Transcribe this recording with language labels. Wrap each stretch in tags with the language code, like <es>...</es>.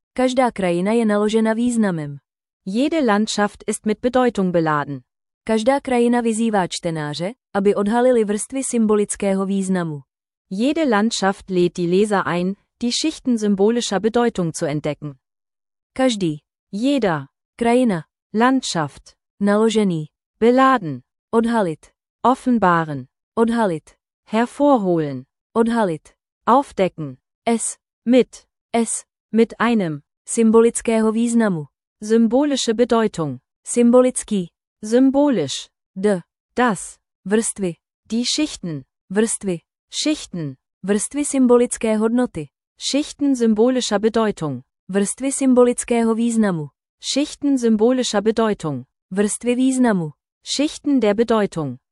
<cs>Každá krajina je naložena významem.</cs> <de>Jede Landschaft ist mit Bedeutung beladen.</de> <cs>Každá krajina vyzývá čtenáře, aby odhalili vrstvy symbolického významu.</cs> <de>Jede Landschaft lädt die Leser ein, die Schichten symbolischer Bedeutung zu entdecken. Každý. Jeder. Krajina. Landschaft. Naložený. Beladen. Odhalit. Offenbaren. Odhalit. Hervorholen. Odhalit. Aufdecken. Es. Mit. Es. Mit einem.</de> <cs>Symbolického významu.</cs> <de>Symbolische Bedeutung. Symbolický. Symbolisch. De. Das. Vrstvy. Die Schichten. Vrstvy. Schichten.</de> <cs>Vrstvy symbolické hodnoty.</cs> <de>Schichten symbolischer Bedeutung.</de> <cs>Vrstvy symbolického významu.</cs> <de>Schichten symbolischer Bedeutung.</de> <cs>Vrstvy významu.</cs> <de>Schichten der Bedeutung.</de>